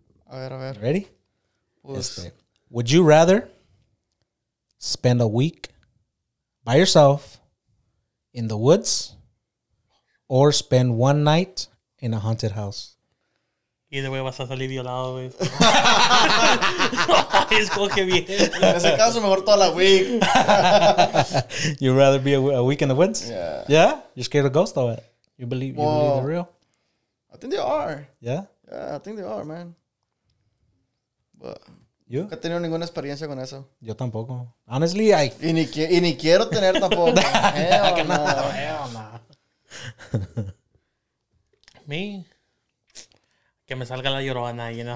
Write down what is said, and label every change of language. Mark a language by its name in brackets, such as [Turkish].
[Spanish] A ver. [English] Ready? [Spanish] Pues. [English] Would you rather spend a week by yourself in the woods or spend one night in a haunted house? [Spanish] Either way, vas a salir violado, güey. Escoge bien. En ese caso, mejor toda la week. [English] You'd rather be a week in the woods? Yeah. Yeah? You're scared of ghosts, though? You believe they're real? I think they are. Yeah? Yeah, I think they are, man. But... You? [Spanish] Nunca he tenido ninguna experiencia con eso. Yo tampoco. [English] Honestly, I... [Spanish] Y ni quiero tener tampoco. [English] Hell no. Me? [Spanish] Que me salga la llorona y en el